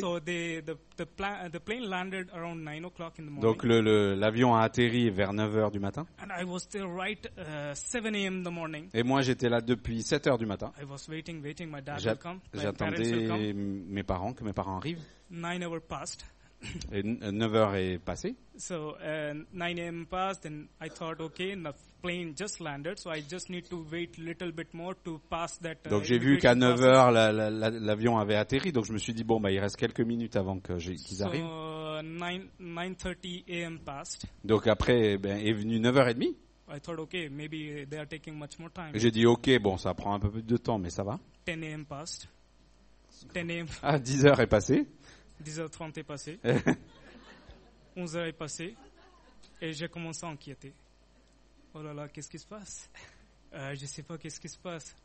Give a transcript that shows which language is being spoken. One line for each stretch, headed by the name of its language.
English: So the plane landed around 9 o'clock in the morning.
French: Donc l'avion a atterri vers 9 heures du matin.
English: And I was still right 7 a.m. the morning.
French: Et moi j'étais là depuis 7 heures du matin.
English: I was waiting. My dad will come.
French: J'attendais mes parents, que mes parents arrivent.
English: 9 hours passed.
French: Et 9 heures est passée.
English: So 9 a.m. passed and I thought okay, the plane just landed, so I just need to wait a little bit more to pass that.
French: Donc j'ai vu qu'à 9 heures l'avion avait atterri, donc je me suis dit bon bah il reste quelques minutes avant qu'ils arrivent.
English: So 9:30 a.m. passed.
French: Donc après est venu 9h30.
English: I thought okay, maybe they are taking much more time.
French: Et j'ai dit OK, bon ça prend un peu plus de temps mais ça va.
English: 10 a.m. passed. 10 a.m.
French: Ah, 10 heures est passée. 10h30 est passé, 11h est passé, et j'ai commencé à inquiéter. Oh là là, qu'est-ce qui se passe? Je ne sais pas qu'est-ce qui se passe.